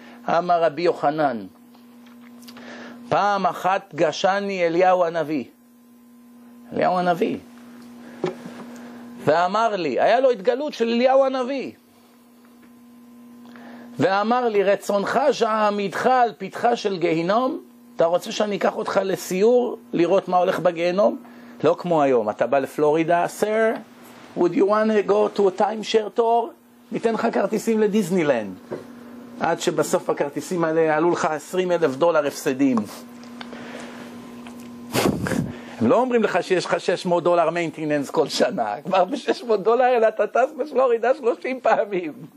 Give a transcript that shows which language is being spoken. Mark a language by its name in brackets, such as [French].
[Hebrew] אמר רבי יוחנן, פעם אחת גשני אליהו הנביא, אליהו הנביא, ואמר לי, היה לו התגלות של אליהו הנביא, ואמר לי, רצונך שעמידך על פתחה של גיהנום? אתה רוצה שאני אקח אותך לסיור, לראות מה הולך בגיהנום? לא כמו היום, אתה בא לפלורידה, [English] Sir, would you want to go to a timeshare tour? [Hebrew] ניתן לך כרטיסים לדיסנילנד. עד שבסוף הכרטיסים האלה עלו לך 20,000 דולר הפסדים. הם לא אומרים לך שיש לך 600 דולר maintenance כל שנה. כבר ב-600 דולר אלא אתה טס בפלורידה 30 פעמים.